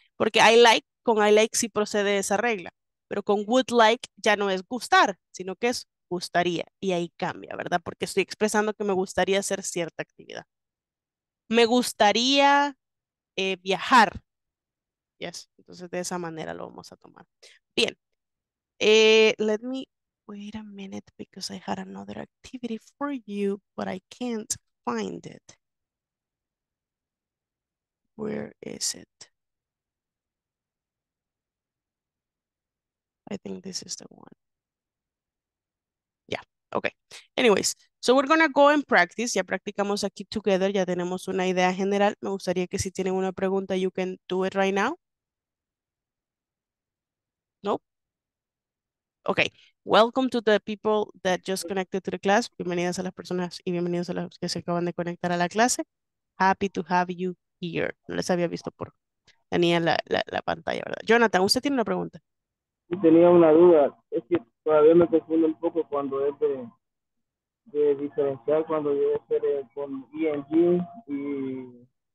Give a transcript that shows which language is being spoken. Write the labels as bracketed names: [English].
[Spanish] Porque I like, con I like sí procede esa regla. Pero con would like ya no es gustar, sino que es gustaría. Y ahí cambia, ¿verdad? Porque estoy expresando que me gustaría hacer cierta actividad. Me gustaría viajar. Yes, entonces de esa manera lo vamos a tomar. Bien. [English] Let me wait a minute because I had another activity for you, but I can't find it. Where is it? I think this is the one. Yeah, okay. Anyways, so we're gonna go and practice. Ya practicamos aquí together. Ya tenemos una idea general. Me gustaría que si tienen una pregunta, you can do it right now. Nope. Okay, welcome to the people that just connected to the class. [Spanish] Bienvenidas a las personas y bienvenidos a los que se acaban de conectar a la clase. [English] Happy to have you. Year. [Spanish] No les había visto por... Tenía la pantalla, ¿verdad? Jonathan, ¿usted tiene una pregunta? Sí, tenía una duda. Es que todavía me confundo un poco cuando es de diferenciar, cuando debe ser con ING y...